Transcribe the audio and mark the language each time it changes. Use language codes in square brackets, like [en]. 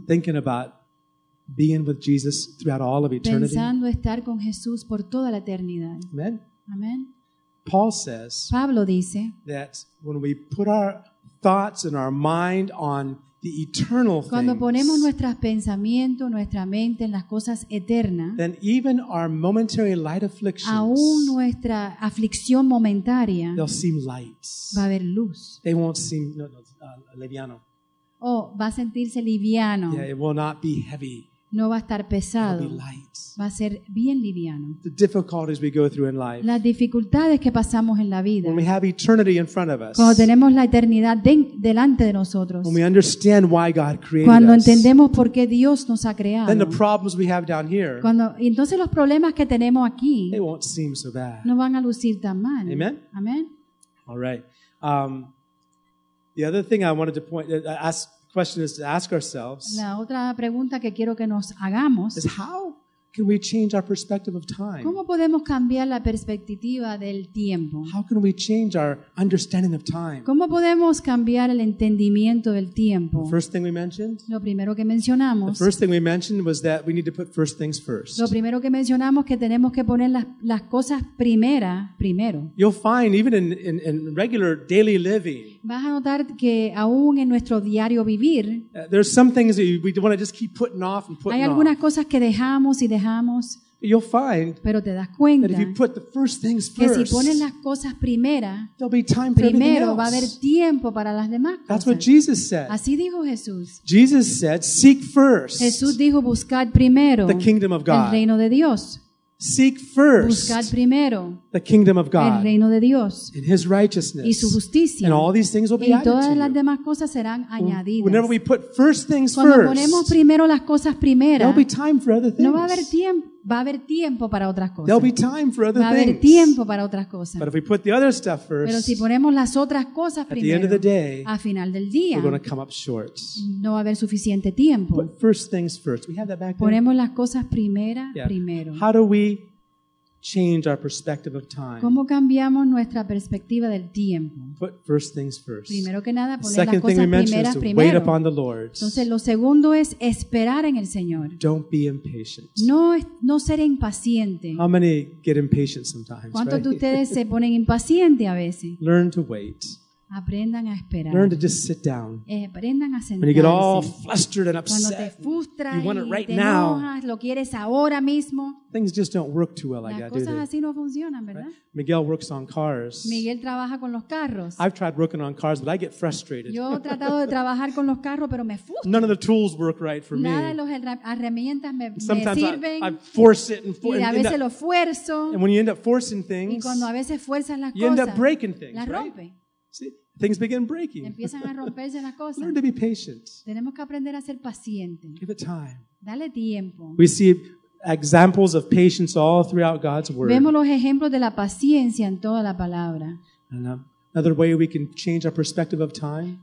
[en] Thinking about being with Jesus throughout all of eternity. [es] Pensando estar con Jesús por toda la eternidad. Amen. Amen. [en] Paul says [es] Pablo dice [en] that when we put our thoughts and our mind on the eternal things, [es] cuando ponemos nuestros pensamientos, nuestra mente en las cosas eternas, [en] then even our momentary light afflictions, [es] aún nuestra aflicción momentaria, [en] they'll seem light. [es] Va a haber luz. [en] They won't seem [es] liviano. Oh, va a sentirse liviano. [en] Yeah, it will not be heavy. [es] No va a estar pesado. [en] It'll be light. [es] Va a ser bien liviano. [en] The difficulties we go through in life. [es] Las dificultades que pasamos en la vida. [en] When we have eternity in front of us. [es] Cuando tenemos la eternidad delante de nosotros. [en] When we understand why God created us. [es] Cuando entendemos por qué Dios nos ha creado. [en] Then the problems we have down here. [es] Cuando entonces los problemas que tenemos aquí. [en] They won't seem so bad. [es] No van a lucir tan mal. Amen. Amen. [en] All right. The other thing I wanted to point ask question is to ask ourselves. [es] La otra pregunta que quiero que nos hagamos [en] is how can we change our perspective of time? [es] ¿Cómo podemos cambiar la perspectiva del tiempo? [en] How can we change our understanding of time? [es] ¿Cómo podemos cambiar el entendimiento del tiempo? [en] The first thing we mentioned. [es] Lo primero que mencionamos. [en] The first thing we mentioned was that we need to put first things first. [es] Lo primero que mencionamos que tenemos que poner las cosas primero. [en] You'll find even in regular daily living. [es] Vas a notar que aún en nuestro diario vivir. [en] There's some things that we want to just keep putting off and putting off. [es] Hay algunas [en] off. [es] Cosas que dejamos. Y dejamos, [en] you'll find [es] pero te das cuenta [en] that if you put the first things first, [es] que si pones las cosas primera, [en] there'll be time [es] primero [en] for [es] va a haber tiempo para las demás cosas. [en] That's what Jesus said. [es] Así dijo Jesús. [en] Jesus said, seek first. [es] Jesús dijo, buscad primero [en] the kingdom of God. [es] El reino de Dios. [en] Seek first [es] buscad primero [en] the kingdom of God, [es] el reino de Dios [en] and his righteousness, [es] y su justicia [en] and all these things will be added [es] y todas [en] added [es] las [en] to [es] demás cosas serán añadidas. [en] Whenever we put first things [es] cuando [en] first, [es] ponemos primero las cosas primeras [en] there'll be time for other things. [es] No va a haber tiempo. Va a haber tiempo para otras cosas. [en] There'll be time for other [es] va a haber tiempo para otras cosas. [en] But if we put the other stuff first, [es] pero si ponemos las otras cosas primero, [en] at the end of the day, [es] a final del día, [en] we're going to come up short. [es] No va a haber suficiente tiempo. [en] Put first things first. We have that back there. [es] Ponemos las cosas primeras [en] yeah [es] primero. [en] How do we change our perspective of time? [es] ¿Cómo cambiamos nuestra perspectiva del tiempo? [en] Put first things first. [es] Primero que nada, poner las cosas primeras primero. [en] Wait upon the Lord. [es] Entonces, lo segundo es esperar en el Señor. [en] Don't be impatient. [es] No ser impaciente. [en] How many get impatient sometimes, [es] ¿cuántos [en] right [es] de ustedes se ponen impacientes a veces? [en] Learn to wait. [es] Aprendan a esperar. [en] Learn to just sit down. [es] Aprendan a sentarse. [en] When you get all flustered and upset, [es] cuando te frustras [en] you want it right [es] y te enojas, [en] now, [es] lo quieres ahora mismo. [en] Things just don't work too well like [es] las cosas [en] do they? [es] Así no funcionan, ¿verdad? [en] Right? Miguel works on cars. [es] Miguel trabaja con los carros. [en] I've tried working on cars, but I get frustrated. [es] Yo he tratado de trabajar con los carros, pero me frustro. [en] None of the tools work right for me. [es] Nada de las herramientas me sirven. [en] Sometimes I force it and [es] y a veces lo esfuerzo. [en] And when you end up forcing things, [es] y cuando a veces fuerzas las [en] you [es] cosas, [en] end up breaking things, [es] las rompe. [en] Right? See, things begin breaking. [es] Empiezan a romperse las cosas. [en] Learn to be patient. [es] Tenemos que aprender a ser paciente. [en] Give it time. [es] Dale tiempo. [en] We see examples of patience all throughout God's word. [es] Vemos los ejemplos de la paciencia en toda la palabra. [en] And, another way we can change our perspective of time.